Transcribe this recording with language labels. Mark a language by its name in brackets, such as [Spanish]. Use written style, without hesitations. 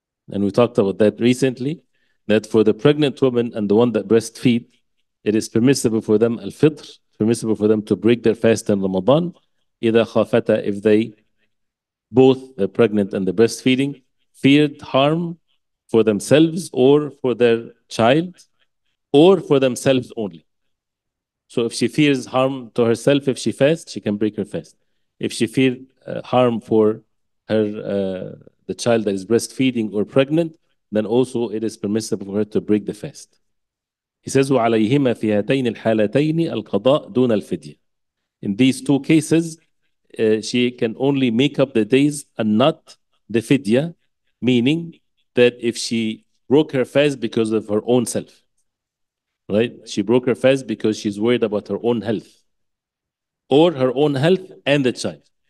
[English] And we talked about that recently, that for the pregnant woman and the one that breastfeed, it is permissible for them, al-fitr, permissible for them to break their fast in Ramadan, [Arabic] إذا خافتا, [English] if they, both the pregnant and the breastfeeding, feared harm for themselves or for their child, or for themselves only. So if she fears harm to herself, if she fasts, she can break her fast. If she fears harm for her the child that is breastfeeding or pregnant, then also it is permissible for her to break the fast. He says, [Arabic] وَعَلَيْهِمَا فِي هَتَيْنِ الْحَالَتَيْنِ الْقَضَاءِ دُونَ الْفِدْيَةِ. [English] In these two cases, she can only make up the days and not the fidya, meaning that if she broke her fast because of her own self, right? She broke her fast because she's worried about her own health, or her own health and the child.